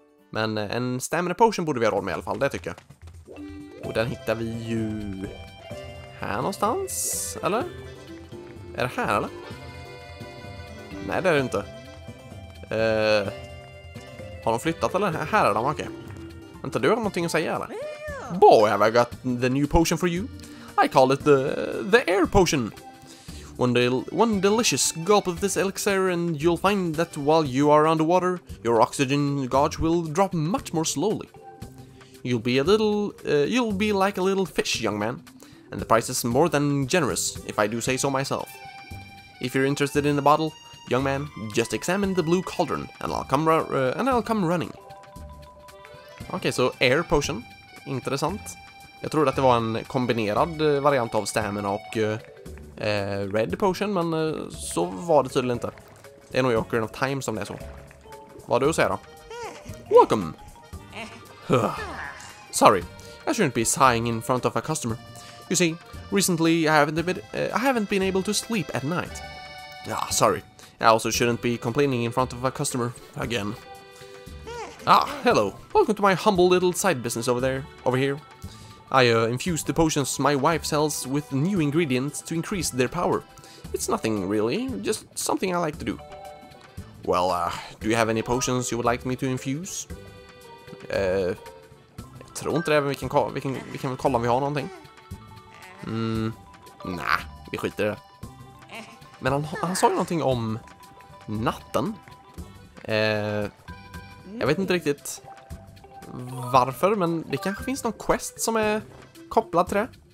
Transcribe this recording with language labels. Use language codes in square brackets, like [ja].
[sv] Men en stamina potion borde vi ha råd med i alla fall, det tycker jag. Och den hittar vi ju här någonstans, eller? Är det här, eller? Nej, det är det inte. Har de flyttat eller? Här är de, okej. Vänta, du har någonting att säga eller? [en] Boy, have I got the new potion for you. I call it the air potion. One delicious gulp of this elixir and you'll find that while you are underwater, your oxygen gauge will drop much more slowly. You'll be like a little fish, young man. And the price is more than generous, if I do say so myself. If you're interested in the bottle, young man, just examine the blue cauldron, and I'll come running. [sv] Okej, så air potion. Intressant. Jag trodde att det var en kombinerad variant av stamina och red potion, men så var det tydligen inte. Det är nog i Ocarina of Time som det är så. Vad du säger då? [en] Welcome! Sorry, I shouldn't be sighing in front of a customer. You see, recently I haven't been able to sleep at night. Ah, sorry. I also shouldn't be complaining in front of a customer again. Ah, hello. Welcome to my humble little side business over here. I infuse the potions my wife sells with new ingredients to increase their power. It's nothing really, just something I like to do. Well, do you have any potions you would like me to infuse? [sv] Jag tror inte det, men vi kan väl kolla om vi har någonting. Nah, vi skiter i det. Men han sa ju någonting om natten. Jag vet inte riktigt varför, men det kanske finns någon quest som är kopplad till det.